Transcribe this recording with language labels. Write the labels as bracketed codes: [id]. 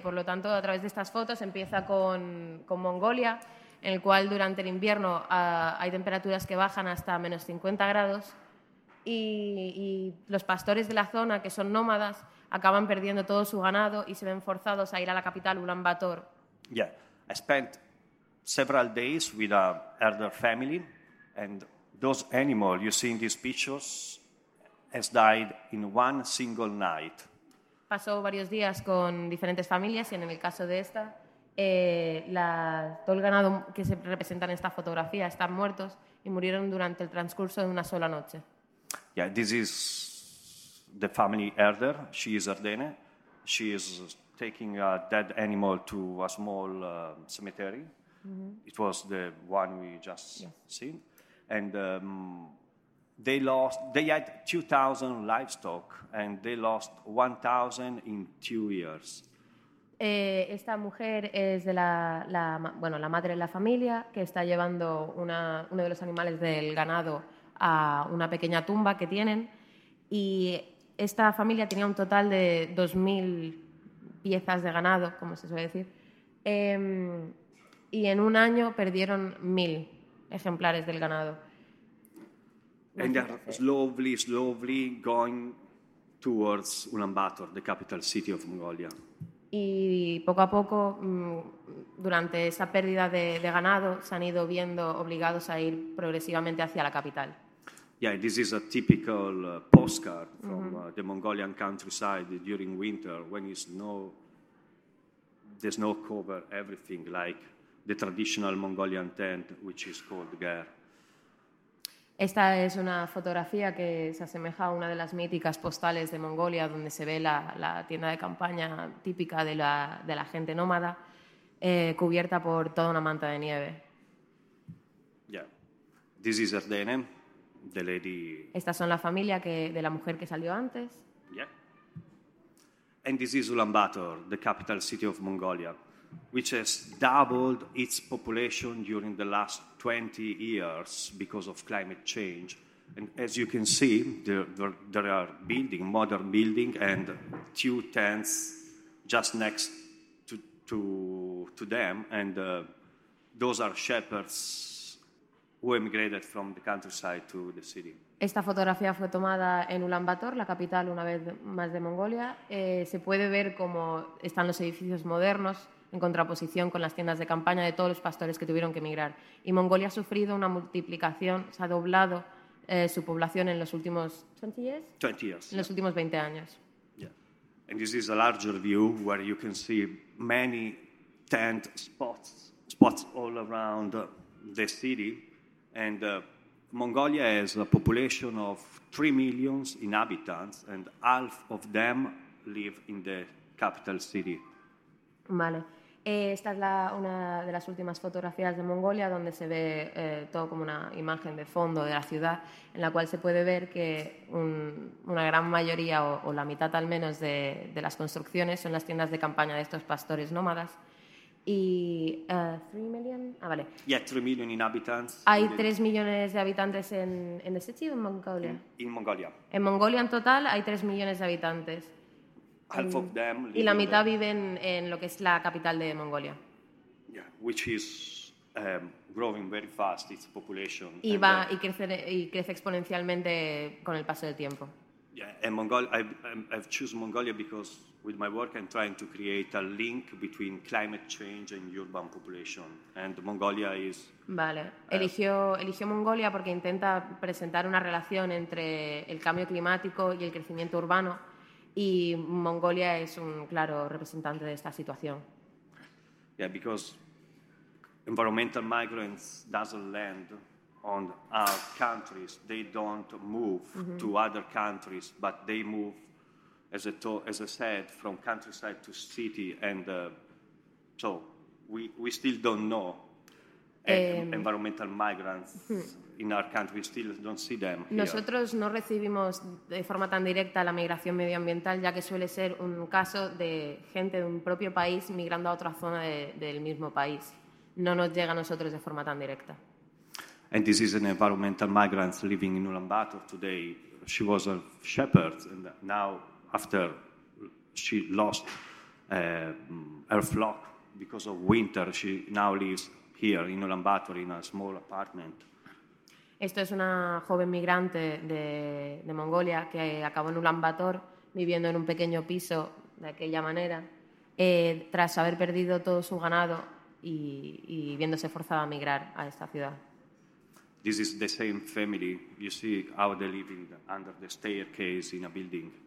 [es] Por lo tanto, a través de estas fotos empieza con Mongolia, en el cual durante el invierno hay temperaturas que bajan hasta menos 50 grados y los pastores de la zona, que son nómadas, acaban perdiendo todo su ganado y se ven forzados a ir a la capital, Ulaanbaatar. [en] Yeah, I spent several days with an elder family. And those animals you see in these pictures has died in one single night. [es] Pasó varios días con diferentes familias, y en el caso de esta, todo el ganado que se representa en esta fotografía están muertos y murieron durante el transcurso de una sola noche. [en] Yeah, this is the family herder. She is Ardene. She is taking a dead animal to a small cemetery. Mm-hmm. It was the one we just seen. And they had 2,000 livestock, and they lost 1,000 in 2 years. [es] Esta mujer es de la madre de la familia, que está llevando uno de los animales del ganado a una pequeña tumba que tienen, y esta familia tenía un total de 2,000 piezas de ganado, como se suele decir, y en un año perdieron 1,000 ejemplares del ganado. [en] And they're slowly, slowly going towards Ulaanbaatar, the capital city of Mongolia. [es] Y poco a poco, durante esa pérdida de ganado, se han ido viendo obligados a ir progresivamente hacia la capital. [en] Yeah, this is a typical postcard from the Mongolian countryside during winter, when the snow cover everything, like the traditional Mongolian tent, which is called ger. [es] Esta es una fotografía que se asemeja a una de las míticas postales de Mongolia, donde se ve la tienda de campaña típica de la gente nómada, cubierta por toda una manta de nieve. [en] Yeah. This is Erdene, the lady. [es] Estas son la familia de la mujer que salió antes. [en] Yeah. And this is Ulaanbaatar, the capital city of Mongolia, which has doubled its population during the last 20 years because of climate change. And as you can see, there are building, modern building, and two tents just next to them. And those are shepherds who emigrated from the countryside to the city. [es] Esta fotografía fue tomada en Ulaanbaatar, la capital una vez más de Mongolia. Se puede ver cómo están los edificios modernos en contraposición con las tiendas de campaña de todos los pastores que tuvieron que emigrar. Y Mongolia ha sufrido una multiplicación, se ha doblado su población en los últimos 20 años. [en] 20 years, [es] en los últimos 20 años. [en] Yeah. And this is a larger view where you can see many tent spots all around the city. And Mongolia has a population of 3 million inhabitants and half of them live in the capital city. [es] Vale. Esta es una de las últimas fotografías de Mongolia, donde se ve todo como una imagen de fondo de la ciudad, en la cual se puede ver que una gran mayoría o la mitad al menos de las construcciones son las tiendas de campaña de estos pastores nómadas. Y 3 million, vale. [en] Yeah, 3 million inhabitants. [es] Hay 3 millones de habitantes en [en] the city [es] o en Mongolia. [en] In Mongolia. [es] En Mongolia en total hay 3 millones de habitantes. [en] Half of them live [es] y la mitad viven en lo que es la capital de Mongolia. [en] Yeah, which is growing very fast its population. [es] Y va y crece exponencialmente con el paso del tiempo. [en] Yeah, and I've chosen Mongolia because with my work I'm trying to create a link between climate change and urban population. And Mongolia is. [es] Vale. Eligió Mongolia porque intenta presentar una relación entre el cambio climático y el crecimiento urbano. Y Mongolia es un claro representante de esta situación. [en] Yeah, because environmental migrants doesn't land on our countries. They don't move to other countries, but they move, as I said, from countryside to city. And so we still don't know environmental migrants. In our country, we still don't see them. [es] Nosotros no recibimos de forma tan directa la migración medioambiental, ya que suele ser un caso de gente de un propio país migrando a otra zona del mismo país. No nos llega a nosotros de forma tan directa. [en] And this is an environmental migrant living in Ulaanbaatar today. She was a shepherd, and now after she lost her flock because of winter, she now lives here in Ulaanbaatar in a small apartment. [es] Esto es una joven migrante de Mongolia que acabó en Ulaanbaatar viviendo en un pequeño piso de aquella manera tras haber perdido todo su ganado y viéndose forzada a migrar a esta ciudad. [en] This is the same family. You see how they live under the staircase in a building.